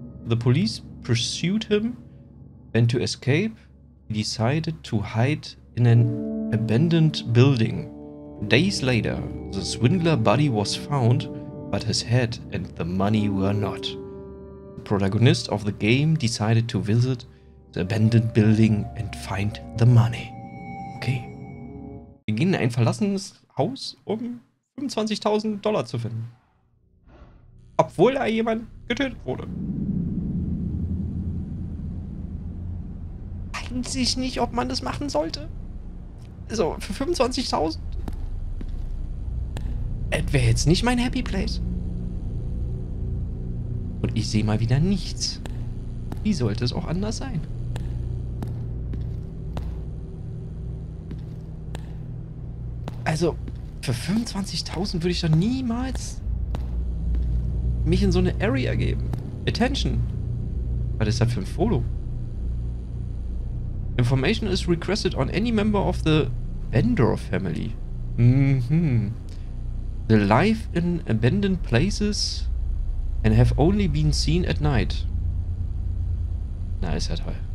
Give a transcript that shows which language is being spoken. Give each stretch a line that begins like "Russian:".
English: The police pursued him and to escape, he decided to hide in an abandoned building. Days later, the swindler body was found, but his head and the money were not. The protagonist of the game decided to visit the abandoned building and find the money. Okay.
German: Wir gehen in ein verlassenes Haus, um $25.000 zu finden. Obwohl da jemand getötet wurde. Weiß ich nicht, ob man das machen sollte. So, für 25.000? Das wäre jetzt nicht mein Happy Place. Und ich sehe mal wieder nichts. Wie sollte es auch anders sein? Also, für 25.000 würde ich doch niemals mich in so eine Area geben.
English: Attention.
German: Was ist das für ein Foto?
English: Information is requested on any member of the Bender family. Mhm. They live in abandoned places and have only been seen at night.
German: Na, ist ja toll.